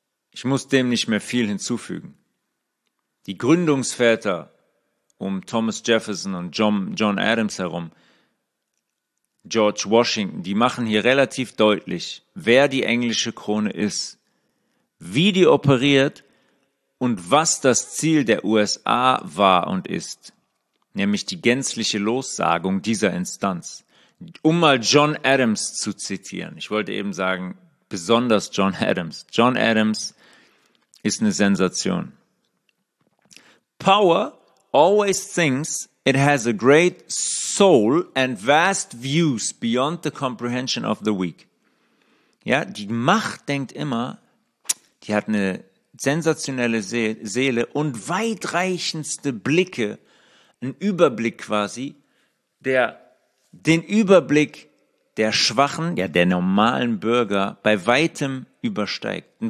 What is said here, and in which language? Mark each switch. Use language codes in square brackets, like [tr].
[de] Ich muss dem nicht mehr viel hinzufügen. Die Gründungsväter um Thomas Jefferson und John Adams herum, George Washington, die machen hier relativ deutlich, wer die englische Krone ist, wie die operiert und was das Ziel der USA war und ist, nämlich die gänzliche Lossagung dieser Instanz. Um mal John Adams zu zitieren, ich wollte eben sagen, besonders John Adams. John Adams ist eine Sensation. [en] Power always thinks it has a great soul and vast views beyond the comprehension of the weak. [de] Ja, die Macht denkt immer, die hat eine sensationelle Seele und weitreichendste Blicke, ein Überblick quasi, der den Überblick der Schwachen, ja, der normalen Bürger bei weitem übersteigt.